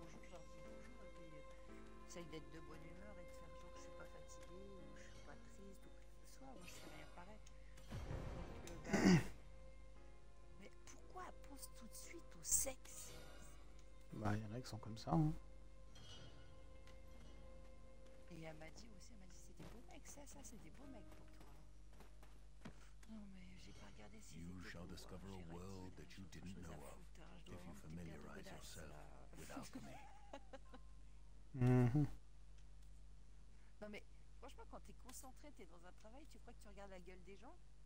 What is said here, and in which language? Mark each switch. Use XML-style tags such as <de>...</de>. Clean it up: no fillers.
<fr>bonjour, je leur dis bonjour et puis j'essaye d'être de bonne humeur et de faire genre je suis pas fatiguée ou je suis pas triste ou quoi que ce soit, moi je fais rien pareil. Mais pourquoi pense tout de suite au sexe? Bah, il y en a qui sont comme ça. Hein. Et elle m'a dit aussi, elle m'a dit c'est des beaux mecs, ça, ça, c'est des beaux mecs pour toi. Non, mais j'ai pas regardé si</fr> <en>you shall discover a world that you didn't know of if you familiarize yourself with alchemy.</en> <fr>Non, mais franchement, quand t'es concentré, t'es dans un travail, tu crois que tu regardes la gueule des gens?</fr>